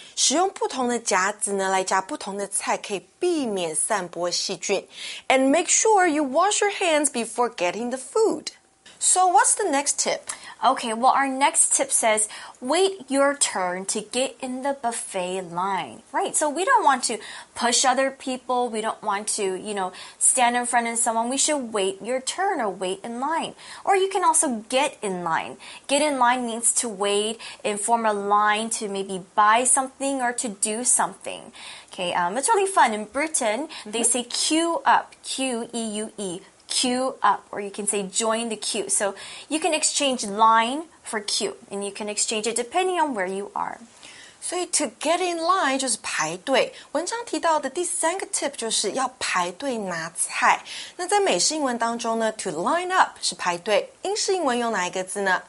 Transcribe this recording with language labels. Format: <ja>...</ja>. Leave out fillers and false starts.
<zh>使用不同的夹子呢来夹不同的菜可以避免散播细菌。</zh> <en>And make sure you wash your hands before getting the food. So what's the next tip? Okay, well, our next tip says, wait your turn to get in the buffet line. Right, so we don't want to push other people. We don't want to, you know, stand in front of someone. We should wait your turn or wait in line. Or you can also get in line. Get in line means to wait and form a line to maybe buy something or to do something. Okay, it's really fun. In Britain, they say queue up, Q-E-U-E. Queue up, or you can say join the queue. So you can exchange line for queue, and you can exchange it depending on where you are. So to get in line</en> <zh>就是排队。文章提到的第三个 tip 就是要排队拿菜。那在美式英文当中呢 ，to line up 是排队。英式英文用哪一个字呢？</zh>